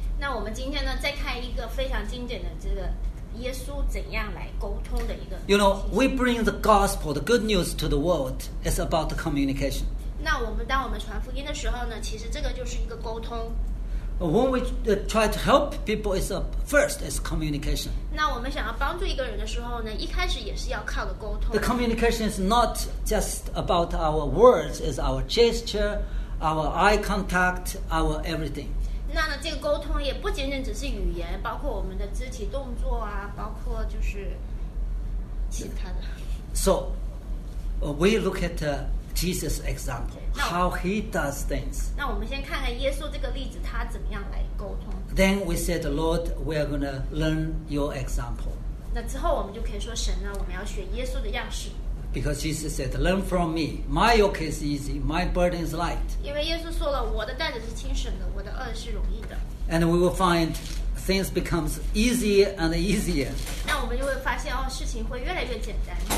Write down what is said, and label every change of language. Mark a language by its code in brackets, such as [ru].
[zh] 那我们今天呢，再看一个非常经典的这个耶稣怎样来沟通的一个。 [en] You know, we bring the gospel, the good news to the world. It's about the communication. [zh] 那我们当我们传福音的时候呢，其实这个就是一个沟通。 [en] When we try to help people, it's a first, it's communication. [zh] 那我们想要帮助一个人的时候呢，一开始也是要靠的沟通。 [en] The communication is not just about our words, it's our gesture, our eye contact, our everything. [zh] 那呢，这个沟通也不仅仅只是语言，包括我们的肢体动作啊，包括就是其他的。 [en] So, we look at Jesus' example, how he does things. [zh] 那我们先看看耶稣这个例子，他怎么样来沟通。 [en] Then we said, Lord, we are going to learn your example. [zh] 那之后我们就可以说，神呢，我们要学耶稣的样式。 [en] Because Jesus said, learn from me. My yoke is easy, my burden is light. [zh] 因为耶稣说了，我的担子是轻省的，我的轭是容易的。 [en] And we will find things becomes easier and easier. [zh] 那我们就会发现，哦，事情会越来越简单。